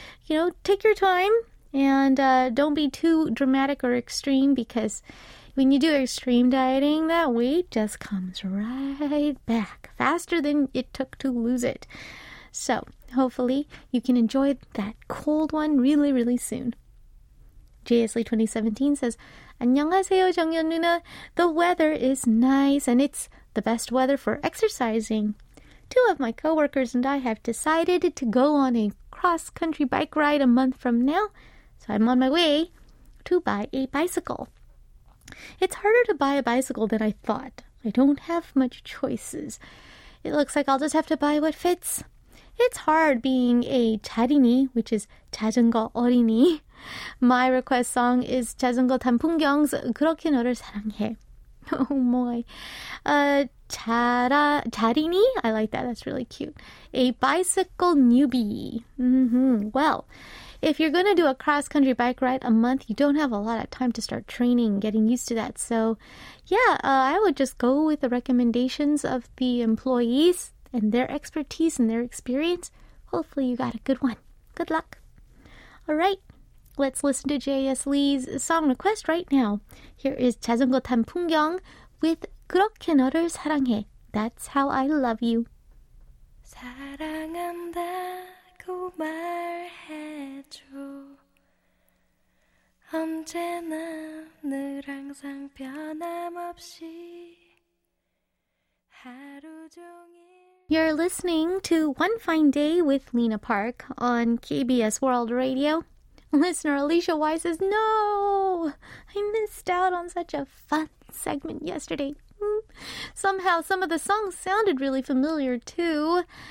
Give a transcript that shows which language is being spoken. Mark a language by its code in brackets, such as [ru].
[en] You know, take your time and don't be too dramatic or extreme, because when you do extreme dieting, that weight just comes right back faster than it took to lose it. So hopefully you can enjoy that cold one really, really soon. JSLee 2017 says, 안녕하세요, 정연 누나. The weather is nice and it's the best weather for exercising. Two of my coworkers and I have decided to go on a cross-country bike ride a month from now, so I'm on my way to buy a bicycle. It's harder to buy a bicycle than I thought. I don't have much choices. It looks like I'll just have to buy what fits. It's hard being a 자린이, which is 자전거 어린이. My request song is 자전거 단풍경's 그렇게 너를 사랑해. Oh my. 자린이? I like that. That's really cute. A bicycle newbie. Well, if you're going to do a cross-country bike ride a month, you don't have a lot of time to start training, getting used to that. So, I would just go with the recommendations of the employees and their expertise and their experience. Hopefully you got a good one. Good luck. All right, let's listen to J.S. Lee's song request right now. Here is 자전거 단풍경 with 그렇게 너를 사랑해. That's how I love you. [ko] 사랑한다. 말해줘 언제나 늘 항상 변함없이 하루 종일 [en] You're listening to One Fine Day with Lena Park on KBS World Radio. Listener Alicia Y says, no, I missed out on such a fun segment yesterday. Somehow some of the songs sounded really familiar too.